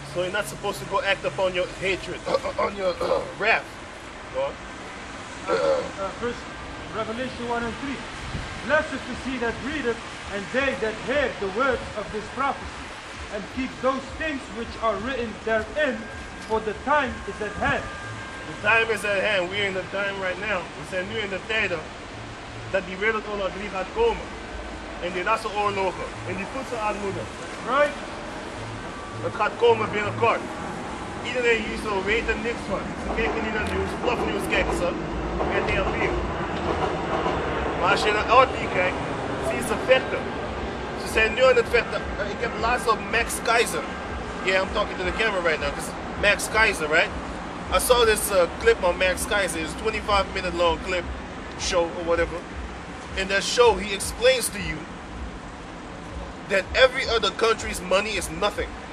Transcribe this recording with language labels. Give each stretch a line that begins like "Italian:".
English: So you're not supposed to go act upon your hatred, on your wrath. Go on. First, Revelation 1 and 3. Blessed is he that readeth, and they that hear the words of this prophecy, and keep those things which are written therein, for the time is at hand. The time is at hand. We are in the time right now.
Dutch: We zijn nu in de tijden dat die wereldoorlog drie gaat komen. En die rassenoorlogen. En die voedselarmoede.
English: Right?
Dutch: Het gaat komen binnenkort. Iedereen hier zo weet er niks van. Ze kijken niet naar nieuws. Bluff nieuws kijken ze. Met heel veel. Maar als je naar oud hier kijkt, zien ze vechten. Ze zijn nu aan het vechten. Ik heb laatst op Max Keizer.
English: Yeah, I'm talking to the camera right now. Max Keizer, right? I saw this clip on Max Keizer. It's a 25-minute long clip, show or whatever. In that show, he explains to you that every other country's money is nothing.